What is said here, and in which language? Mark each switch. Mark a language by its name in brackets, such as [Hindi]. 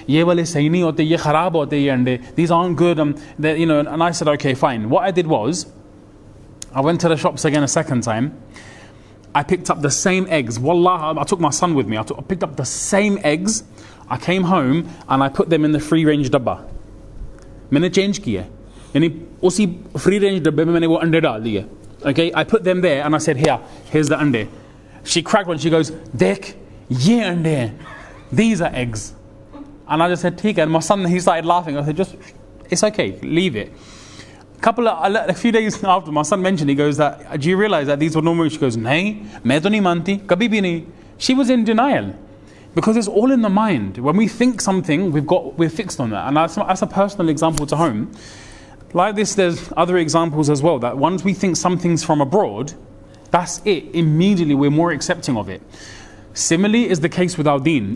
[English] These aren't good. And I said, okay, fine. What I did was, I went to the shops again a second time. I picked up the same eggs. Wallah, I took my son with me. I picked up the same eggs. I came home and I put them in the free range dabba. [Urdu] میں نے change کیا۔ یعنی اسی free range ڈبے میں میں نے وہ انڈے ڈال دیے۔ [English] Okay, I put them there and I said, here's the ande. She cracked one. She goes, [Urdu] Dek, ye ande. [English] These are eggs. And I just said, Tika. And my son, he started laughing. I said, just, it's okay, leave it. A few days after, my son mentioned, he goes, do you realize that these were normal? She goes, [Urdu] نہیں، میں تو نہیں مانتی، کبھی بھی نہیں۔ [English] She was in denial. Because it's all in the mind. When we think something, we're fixed on that. And that's a personal example to home. Like this, there's other examples as well, that once we think something's from abroad, that's it. Immediately, we're more accepting of it. Similarly is the case with our deen.